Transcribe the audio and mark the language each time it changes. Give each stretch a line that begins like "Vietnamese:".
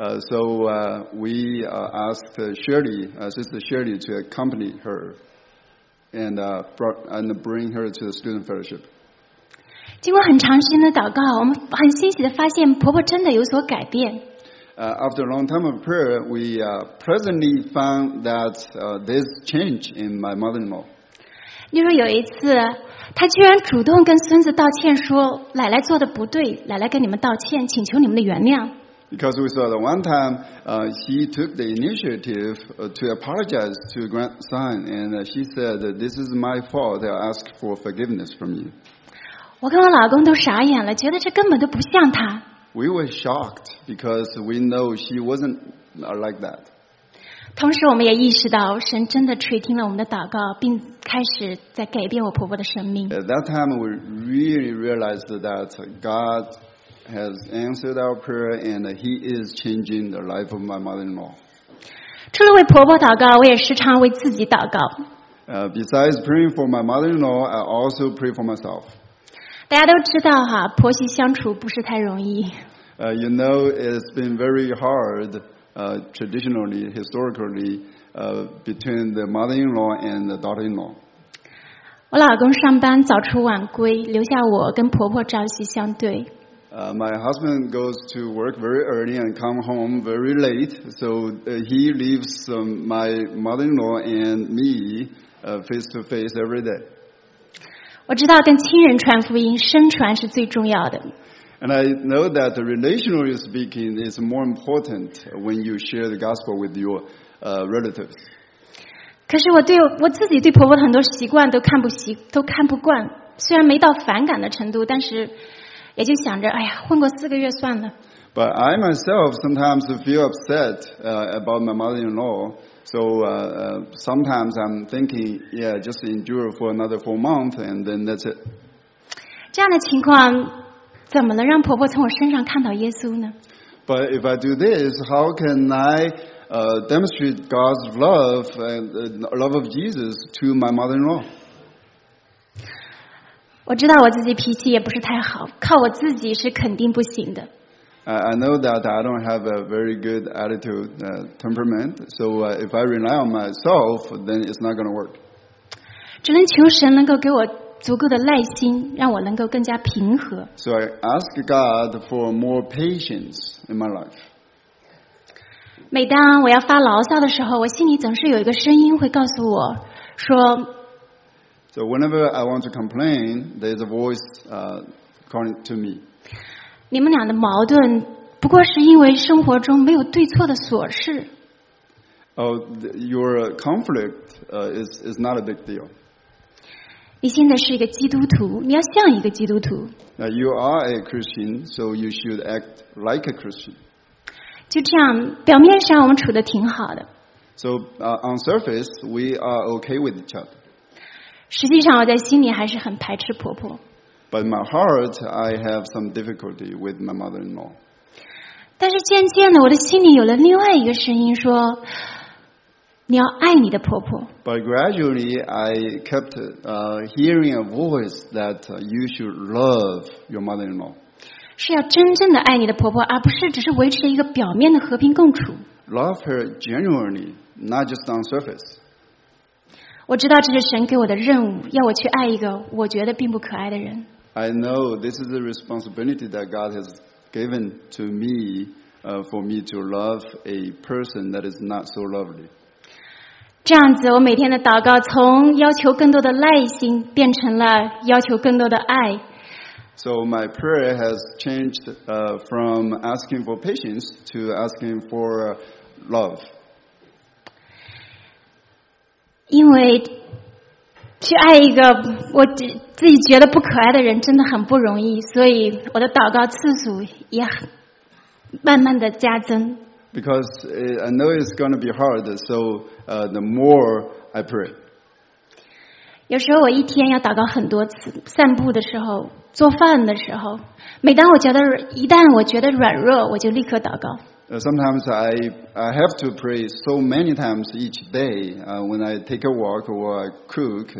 English: So we asked Shirley, Sister Shirley, to accompany her and bring her to the student fellowship.
Chinese: 经过很长时间的祷告，我们很欣喜地发现婆婆真的有所改变。
English: After a long time of prayer, we presently found that there's change in my mother-in-law.
Chinese: 例如有一次，她居然主动跟孙子道歉说，奶奶做的不对，奶奶跟你们道歉，请求你们的原谅。
English: Because we saw that one time, she took the initiative to apologize to grandson, and she said, "This is my fault. I ask for forgiveness from you."
Chinese: 我跟我老公都傻眼了，觉得这根本都不像她。
English: We were shocked because we know she wasn't like that.
Chinese: 同时，我们也意识到神真的垂听了我们的祷告，并开始在改变我婆婆的生命。
English: At that time, we really realized that God. Has answered our prayer and he is changing the life of my mother-in-law.
Chinese: 除了为婆婆祷告，我也时常为自己祷告。
English: Besides praying for my mother-in-law, I also pray for myself.
Chinese: 大家都知道哈，婆媳相处不是太容易。
English: You know, it's been very hard, traditionally, historically, between the mother-in-law and the daughter-in-law.
Chinese: 我老公上班早出晚归，留下我跟婆婆朝夕相对。
English: My husband goes to work very early and come home very late, so he leaves my mother-in-law and me face to face every day.
Chinese: 我知道跟亲人传福音，身传是最重要的。
English: And I know that relationally speaking is more important when you share the gospel with your relatives.
Chinese: 可是我对我自己对婆婆的很多习惯都看不惯，虽然没到反感的程度，但是也就想着，哎呀，混过四个月算了。
English: But I myself sometimes feel upset about my mother-in-law. So sometimes I'm thinking, yeah, just endure for another 4 months and then that's it.
Chinese: 这样的情况怎么能让婆婆从我身上看到耶稣呢？
English: But if I do this, how can I demonstrate God's love and the love of Jesus to my mother-in-law?
Chinese: 我知道我自己脾气也不是太好，靠我自己是肯定不行的。
English: I know that I don't have a very good attitude, temperament. So if I rely on myself, then it's not going to work.
Chinese: 只能求神能够给我足够的耐心，让我能够更加平和。
English: So I ask God for more patience in my life.
Chinese: 每当我要发牢骚的时候，我心里总是有一个声音会告诉我说。
English: So whenever I want to complain, there's a voice calling to me.
Chinese: 你们俩的矛盾不过是因为生活中没有对错的琐事。
English: Your conflict is not a big deal.
Chinese: 你现在是一个基督徒，你要像一个基督徒。
English: You are a Christian, so you should act like a Christian.
Chinese: 就这样，表面上我们处得挺好的。
English: So on surface, we are okay with each other.
Chinese: 实际上我在心里还是很排斥婆婆。
English: But in my heart, I have some difficulty with my mother-in-law.
Chinese: 但是渐渐的，我的心里有了另外一个声音说，你要爱你的婆婆。
English: But gradually, I kept hearing a voice that you should love your mother-in-law.
Chinese: 是要真正的爱你的婆婆，而不是只是维持一个表面的和平共处。
English: Love her genuinely, not just on surface.
Chinese: 我知道这是神给我的任务，要我去爱一个我觉得并不可爱的人。
English: I know this is the responsibility that God has given to me, for me to love a person that is not so lovely.
Chinese: 这样子，我每天的祷告从要求更多的耐心变成了要求更多的爱。
English: So my prayer has changed, from asking for patience to asking for love.
Chinese: 因为去爱一个我自己觉得不可爱的人真的很不容易，所以我的祷告次数也慢慢的加增。
English: Because I know it's going to be hard, so the more I pray.
Chinese: 有时候我一天要祷告很多次，散步的时候，做饭的时候，每当我觉得一旦我觉得软弱，我就立刻祷告。
English: Sometimes I have to pray so many times each day, when I take a walk or I cook.